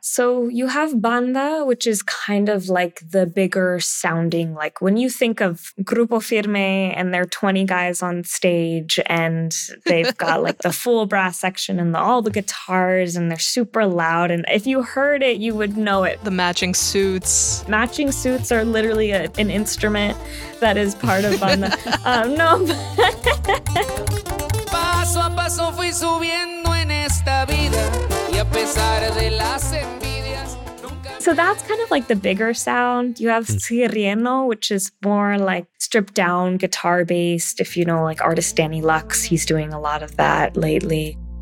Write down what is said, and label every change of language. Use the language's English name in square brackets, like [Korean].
[English] So you have banda, which is kind of like the bigger sounding, like when you think of Grupo Firme and they're 20 guys on stage and they've got like the full brass section and all the guitars and they're super loud. And if you heard it, you would know it. The matching suits. Matching suits are literally an instrument that is part of banda. No. [Spanish] Paso a paso fui subiendo en esta vida. [English] So that's kind of like the bigger sound. You have Sireno, which is more like stripped down guitar based. If you know like artist Danny Lux, he's doing a lot of that lately.